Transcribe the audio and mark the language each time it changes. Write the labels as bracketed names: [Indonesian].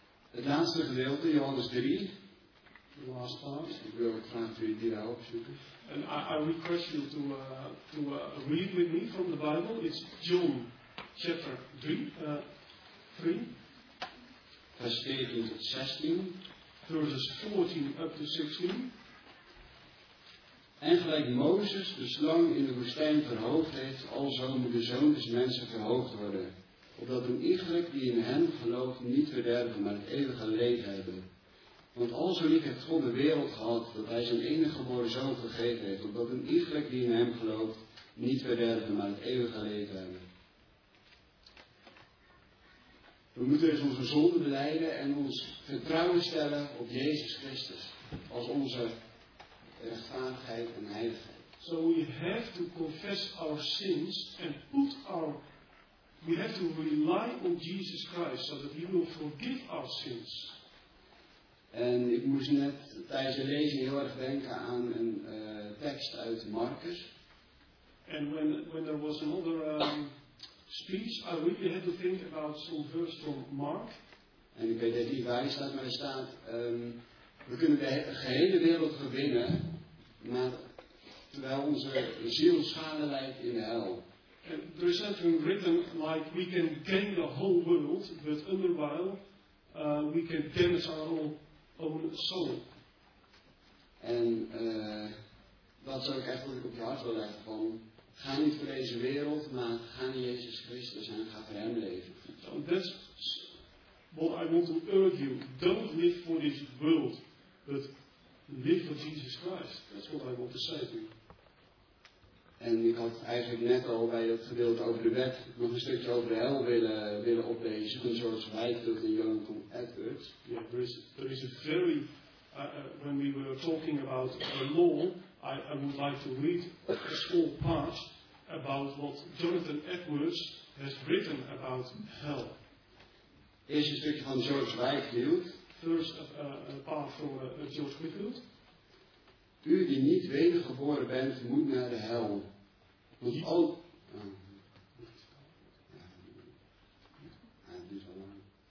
[Dutch] Het laatste gedeelte, Johannes 3. [English] The last part. [Dutch] Ik wil het graag voor u die daar opzoeken. [English] And I request you to read with me from the Bible. It's John chapter 3. [Dutch] Vers 14 tot 16. [English] Verses 14 up to 16. [Dutch] En gelijk Mozes de slang in de woestijn verhoogd heeft, alzo moet de zoon des mensen verhoogd worden. Opdat een ieder die in hem gelooft niet verderven, maar het eeuwige leven hebben. Want alzo lief heeft God de wereld gehad, dat hij zijn enige geboren zoon gegeven heeft. Opdat een ieder die in hem gelooft niet verderven, maar het eeuwige leven hebben. We moeten dus onze zonden beleiden en ons vertrouwen stellen op Jezus Christus als onze rechtvaardigheid en heiligheid. [English] So we have to confess our sins and put our, we have to rely on Jesus Christ so that he will forgive our sins. [Dutch] En ik moest net tijdens de lezing heel erg denken aan een tekst uit Marcus. [English] And when there was another speech, I really had to think about some verse from Mark. [Dutch] En ik weet dat die waar staat, maar er staat: we kunnen de gehele wereld gewinnen, maar terwijl onze ziel schade lijdt in de hel. [English] And there is something written like we can gain the whole world, but underwhile we can damage our own soul. [Dutch] En dat zou ik echt wat ik op je hart wil leggen van: ga niet voor deze wereld, maar ga naar Jezus Christus en ga voor hem leven. [English] So that's what I want to urge you. Don't live for this world, but live for Jesus Christ. That's what I want to say to you. [Dutch] En ik had eigenlijk net al bij het gedeelte over de wet nog een stukje over de hel willen oplezen van George Whitefield en Jonathan Edwards. [English] Yeah, there is a very, when we were talking about the law, I would like to read a small part about what Jonathan Edwards has written about hell. [Dutch] Eerst een stukje van George Whitefield. [English] First part from George Whitefield. [Dutch] U die niet wedergeboren bent, moet naar de hel. Want al. Ja, het is al lang.